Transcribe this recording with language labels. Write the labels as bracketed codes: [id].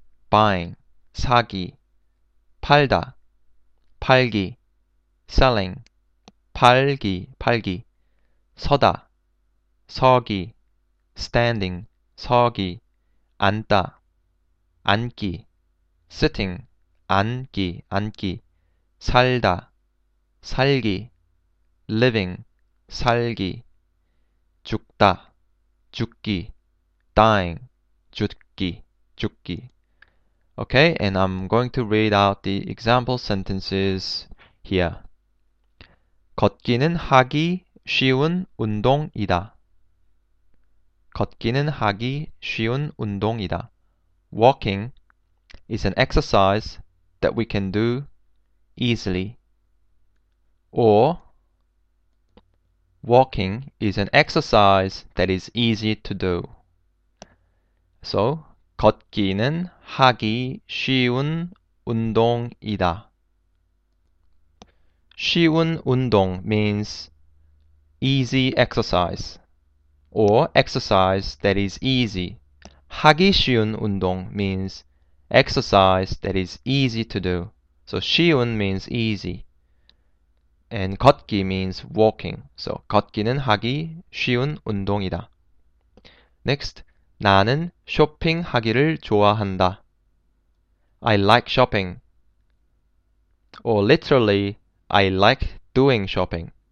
[ko] buying, 사기, 팔다, 팔기, selling, 팔기, 팔기, 서다, 서기, standing, 서기, 앉다, 앉기, sitting, 앉기, 앉기, 살다, 살기, living, 살기, 죽다, 죽기, dying, 죽기, 죽기. [en] Okay, and I'm going to read out the example sentences here. [ko] 걷기는 하기 쉬운 운동이다. 걷기는 하기 쉬운 운동이다. [en] Walking is an exercise that we can do easily. Or, walking is an exercise that is easy to do. [ko] So, 걷기는 하기 쉬운 운동이다. [en] 쉬운 운동 means easy exercise, or exercise that is easy. 하기 쉬운 운동 means exercise that is easy to do. So 쉬운 means easy. And 걷기 means walking. [ko] So 걷기는 하기 쉬운 운동이다. Next, 나는 쇼핑하기를 좋아한다. [en] I like shopping. Or literally, I like doing shopping.